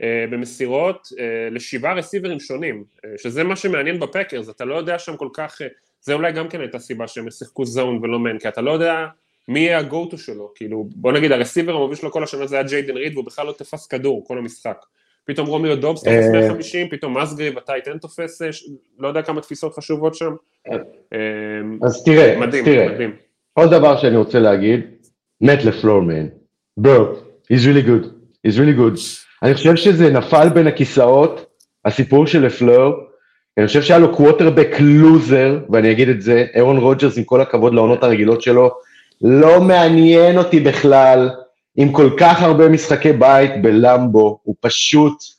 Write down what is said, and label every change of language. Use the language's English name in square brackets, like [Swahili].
[Hebrew] במסירות לשבעה רסיברים שונים, שזה מה שמעניין בפקרס, אתה לא יודע שם כל כך, זה אולי גם כן הייתה סיבה שהם שיחקו זון ולא מן, כי אתה לא יודע מי יהיה הגו-טו שלו, כאילו, בוא נגיד, הרסיבר המוביל שלו כל השנה זה היה ג'יידן ריד, והוא בכלל לא תפס כדור, כל המשחק. פתאום רומיו דובס תופס 150, פתאום מסגרי וטייטן תופס, לא יודע כמה תפיסות חשובות שם. אז תראה, מדהים. עוד דבר שאני רוצה להגיד, מת לפלור, מן. [English] ברט, he's really good. [Hebrew] אני חושב שזה נפל בין הכיסאות, הסיפור של לפלור, אני חושב שהיה לו קווטרבק לוזר, ואני אגיד את זה, אירון רוג'רס, עם כל הכבוד לעונות הרגילות שלו, לא מעניין אותי בכלל, עם כל כך הרבה משחקי בית בלמבו, הוא פשוט